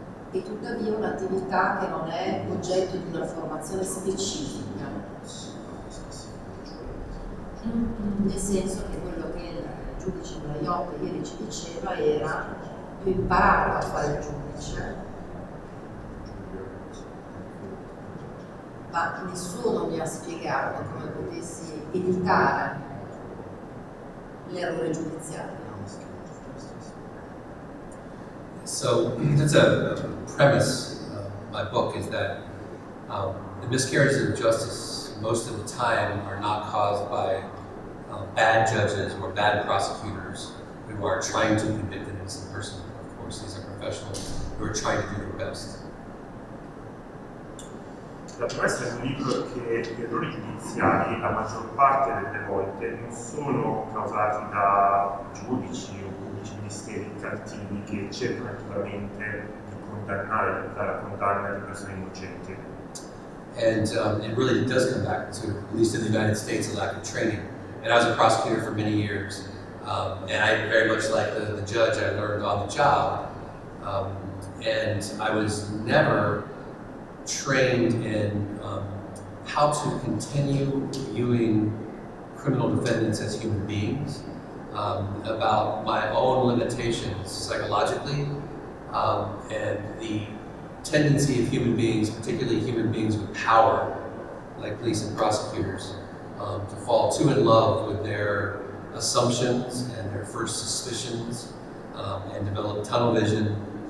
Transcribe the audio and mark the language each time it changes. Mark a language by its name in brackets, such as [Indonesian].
[Italian] è tuttavia un'attività che non è oggetto di una formazione specifica, nel senso che quello che il giudice Braiotto ieri ci diceva era: io ho imparato a fare il giudice, ma nessuno mi ha spiegato come potessi evitare l'errore giudiziario. [English] So that's a premise of my book, is that the miscarriages of justice most of the time are not caused by bad judges or bad prosecutors who are trying to convict an innocent person. Of course, these are professionals who are trying to do their best. [Italian] La premessa di un libro è che gli errori giudiziari, la maggior parte delle volte, non sono causati da giudici o pubblici ministeri cattivi che cercano attivamente di condannare, di dare la condanna di persone innocenti. [English] And it really does come back to, at least in the United States, a lack of training. And I was a prosecutor for many years, and I very much like the judge I learned on the job, and I was never trained in how to continue viewing criminal defendants as human beings, about my own limitations psychologically, and the tendency of human beings, particularly human beings with power, like police and prosecutors, to fall too in love with their assumptions and their first suspicions, and develop tunnel vision.